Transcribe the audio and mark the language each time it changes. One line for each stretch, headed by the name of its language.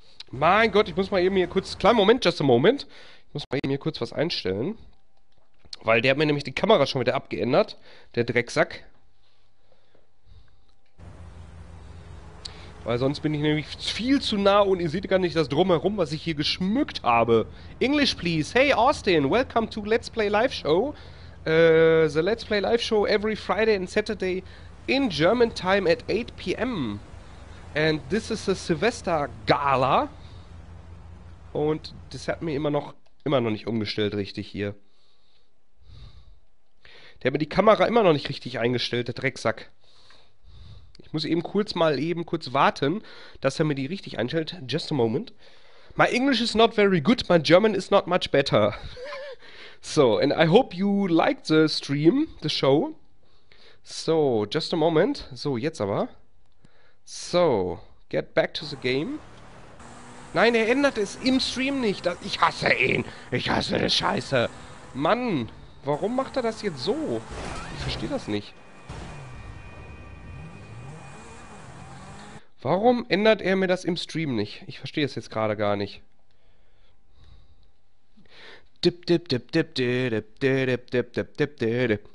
German: Mein Gott, ich muss mal eben hier kurz. Kleinen Moment,
English: just a moment.
German: Ich muss mal eben hier kurz was einstellen. Weil der hat mir nämlich die Kamera schon wieder abgeändert. Der Drecksack. Weil sonst bin ich nämlich viel zu nah und ihr seht gar nicht das Drumherum, was ich hier geschmückt habe.
English: English, please. Hey, Austin. Welcome to Let's Play Live Show. The Let's Play Live Show every Friday and Saturday in German time at 8 PM. And this is the Silvester Gala.
German: Und das hat mir immer noch nicht umgestellt richtig hier. Der hat mir die Kamera immer noch nicht richtig eingestellt, der Drecksack. Ich muss eben kurz warten, dass er mir die richtig einstellt.
English: Just a moment. My English is not very good, my German is not much better. So, and I hope you liked the stream, the show. So, just a moment. So,
German: jetzt aber.
English: So, get back to the game.
German: Nein, er ändert es im Stream nicht. Ich hasse ihn. Ich hasse das Scheiße. Mann. Warum macht er das jetzt so? Ich verstehe das nicht. Warum ändert er mir das im Stream nicht? Ich verstehe es jetzt gerade gar nicht. Dip, dip, dip, dip, dip, dip, dip, dip, dip, dip, dip.